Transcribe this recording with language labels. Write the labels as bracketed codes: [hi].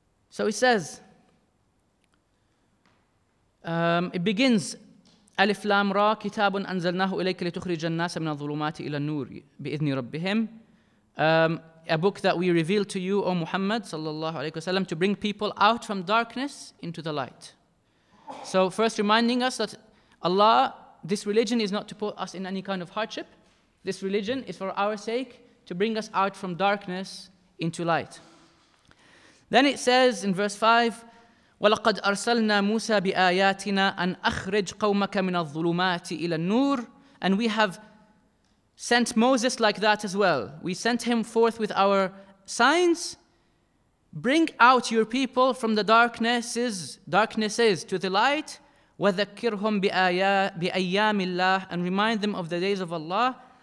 [en] So it says, it begins, Alif Lam Ra, Kitabun Anzalnahu Ilayka Litukhrija An-Nasa Min Adh-Dhulumati Ila An-Nur Bi-Idhni Rabbihim, a book that we reveal to you, O Muhammad Sallallahu Alaihi Wasallam, to bring people out from darkness into the light. So first reminding us that Allah, this religion is not to put us in any kind of hardship. This religion is for our sake, to bring us out from darkness into light. Then it says in verse 5, [ar] وَلَقَدْ أَرْسَلْنَا مُوسَى بِآيَاتِنَا أَنْ أَخْرِجْ قَوْمَكَ مِنَ الظُّلُمَاتِ إِلَى النُّورِ, [en] and we have sent Moses like that as well. We sent him forth with our signs. Bring out your people from the darknesses to the light. [ar] وَذَكِّرْهُمْ بِأَيَّامِ اللَّهِ [en] and remind them of the days of Allah.